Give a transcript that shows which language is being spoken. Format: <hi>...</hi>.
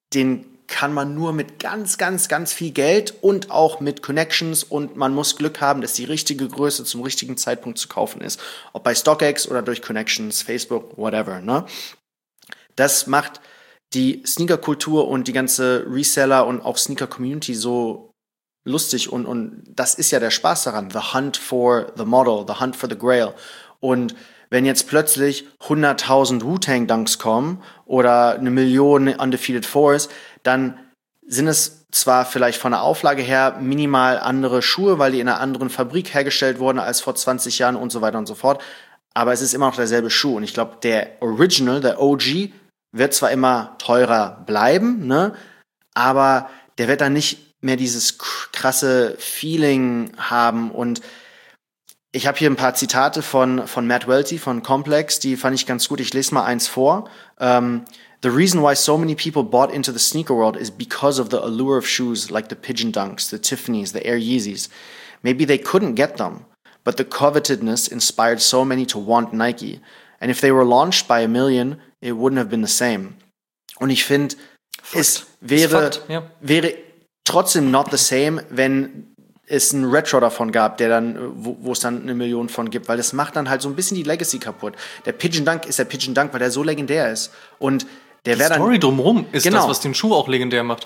<de>Den kann man nur mit ganz, ganz, ganz viel Geld und auch mit Connections, und man muss Glück haben, dass die richtige Größe zum richtigen Zeitpunkt zu kaufen ist. Ob bei StockX oder durch Connections, Facebook, whatever. Ne? Das macht die Sneaker-Kultur und die ganze Reseller und auch Sneaker-Community so lustig, und das ist ja der Spaß daran.</de> <en>The hunt for the model, the hunt for the grail.</en> <de>Und wenn jetzt plötzlich 100.000 Wu-Tang-Dunks kommen oder 1 Million Undefeated Fours, dann sind es zwar vielleicht von der Auflage her minimal andere Schuhe, weil die in einer anderen Fabrik hergestellt wurden als vor 20 Jahren und so weiter und so fort, aber es ist immer noch derselbe Schuh. Und ich glaube, der Original, der OG, wird zwar immer teurer bleiben, ne, aber der wird dann nicht mehr dieses krasse Feeling haben. Und ich habe hier ein paar Zitate von Matt Welty von Complex, die fand ich ganz gut. Ich lese mal eins vor.</de> <en>The reason why so many people bought into the sneaker world is because of the allure of shoes like the Pigeon Dunks, the Tiffany's, the Air Yeezys. Maybe they couldn't get them, but the covetedness inspired so many to want Nike. And if they were launched by 1 million, it wouldn't have been the same.</en> <de>Und ich finde, es wäre, wäre trotzdem</de> <en>not the same,</en> <de>wenn es ein Retro davon gab, der dann, wo es dann 1 Million von gibt, weil das macht dann halt so ein bisschen die Legacy kaputt. Der Pigeon Dunk ist der Pigeon Dunk, weil der so legendär ist. Und der wäre dann. Die Story drumherum ist genau das, was den Schuh auch legendär macht.</de>